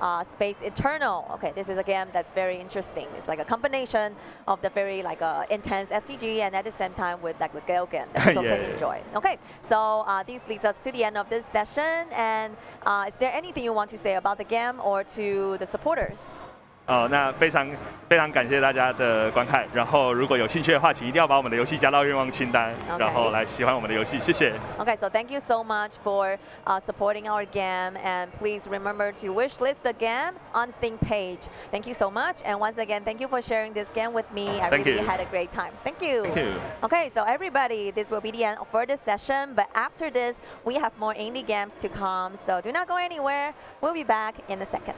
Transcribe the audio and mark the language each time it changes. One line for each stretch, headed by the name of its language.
English: Space Eternal. Okay, this is a game that's very interesting. It's like a combination of the very like intense STG and at the same time with like the Galgen that people can enjoy. Okay, so this leads us to the end of this session. And is there anything you want to say about the game or to the supporters?
Chinese: 那非常非常感谢大家的观看，然后如果有兴趣的话，请一定要把我们的游戏加到愿望清单，
English: okay.
Chinese: 然后来喜欢我们的游戏，谢谢。
English: Okay, so thank you so much for supporting our game, and please remember to wishlist the game on Steam page. Thank you so much, and once again, thank you for sharing this game with me. I really had a great time. Thank you. Thank you. Okay, so everybody, this will be the end for this session, but after this, we have more indie games to come, so do not go anywhere. We'll be back in a second.